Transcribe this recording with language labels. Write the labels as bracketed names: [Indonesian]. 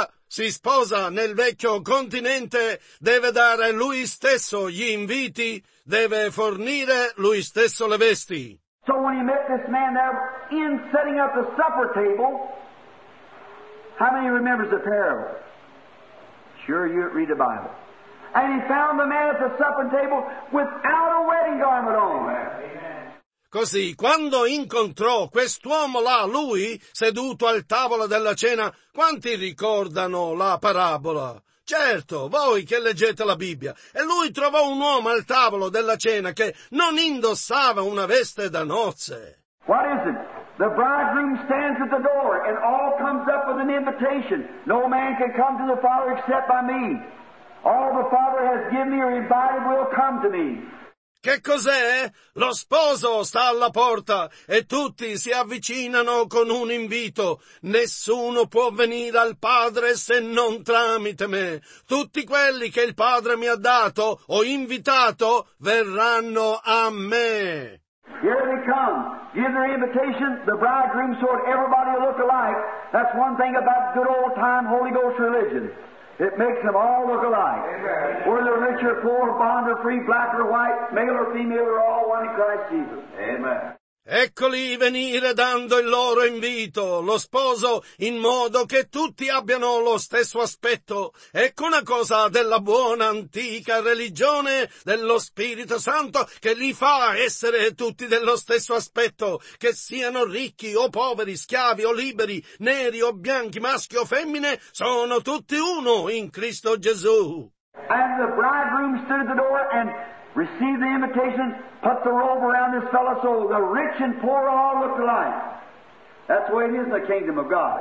[Italian] Si sposa nel vecchio continente, deve dare lui stesso gli inviti, deve fornire lui stesso le vesti. [English] So when he met this man there in setting up the supper table, how many remembers the parable? Sure, you read the Bible. And he found the man at the supper table without a wedding garment on. Amen. [Italian] Così, quando incontrò quest'uomo là, lui, seduto al tavolo della cena, quanti ricordano la parabola? Certo, voi che leggete la Bibbia. E lui trovò un uomo al tavolo della cena che non indossava una veste da nozze. [English] What is it? The bridegroom stands at the door and all comes up with an invitation. No man can come to the Father except by me. All the Father has given me or invited will come to me. [Italian] Che cos'è? Lo sposo sta alla porta e tutti si avvicinano con un invito. Nessuno può venire al Padre se non tramite me. Tutti quelli che il Padre mi ha dato o invitato verranno a me. [English] Here they come. Give their invitation. The bridegroom sort everybody look alike. That's one thing about good old time Holy Ghost religion. It makes them all look alike. Amen. Whether they're rich or poor, bond or free, black or white, male or female, they're all one in Christ Jesus. Amen. [Italian] Eccoli venire dando il loro invito, lo sposo, in modo che tutti abbiano lo stesso aspetto. Ecco una cosa della buona antica religione dello Spirito Santo che li fa essere tutti dello stesso aspetto, che siano ricchi o poveri, schiavi o liberi, neri o bianchi, maschi o femmine, sono tutti uno in Cristo Gesù. [English] And the bridegroom stood at the door and receive the invitation, put the robe around this fellow so the rich and poor all look alike. That's the way it is in the kingdom of God.